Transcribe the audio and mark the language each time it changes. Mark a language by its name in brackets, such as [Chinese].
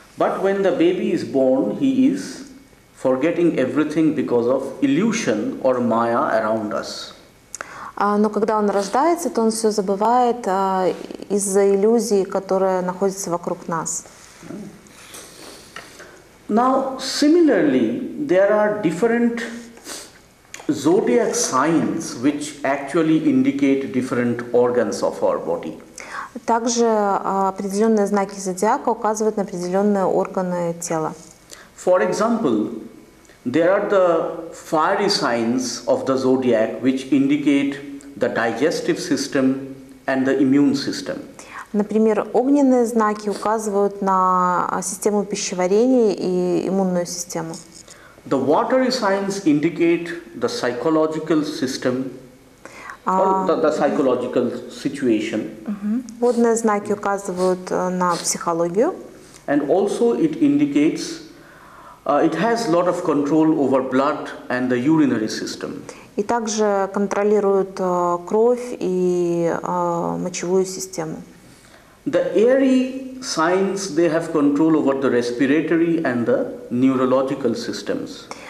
[English] But when the baby is born, he is forgetting everything because of illusion or maya around us. [Russian] Но когда он рождается, то он все забывает из-за иллюзии, которая находится вокруг нас. [English] Now, similarly, there are different zodiac signs which actually indicate different organs of our body. [Russian] Также определенные знаки зодиака указывают на определенные органы тела. [English] For example, there are the fiery signs of the zodiac which indicate the digestive system and the immune system. [Russian] Например, огненные знаки указывают на систему пищеварения и иммунную систему. [English] The watery signs indicate the psychological system or the psychological situation. [Russian] Водные знаки указывают на психологию. [English] And also it indicates, it has lot of control over blood and the urinary system. [Russian] И также контролирует кровь и мочевую систему. [English] The airy signs, they have control over the respiratory and the neurological systems.